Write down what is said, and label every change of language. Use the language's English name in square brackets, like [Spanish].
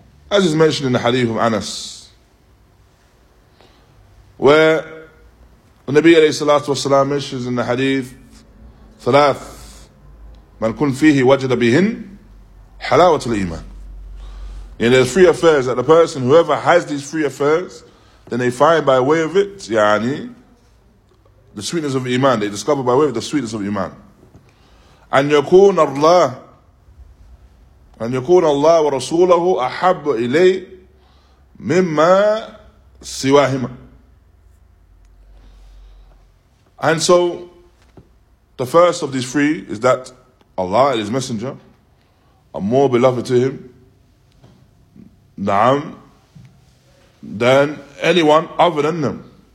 [English] As is mentioned in the hadith of Anas, where the Nabi alayhi salatu wasalam mentions in the hadith, [Arabic] ثلاث من كن فيه وجد بهن حلاوة الإيمان. [English] And there's three affairs that the person, whoever has these three affairs, then they find by way of it, يعني, the sweetness of Iman. They discover by way of it the sweetness of Iman. [Arabic] أن يكون الله أن يكون الله ورسوله أحب إلي مما سواهما. [English] And so, the first of these three is that Allah and His Messenger are more beloved to him, naam, than anyone other than them.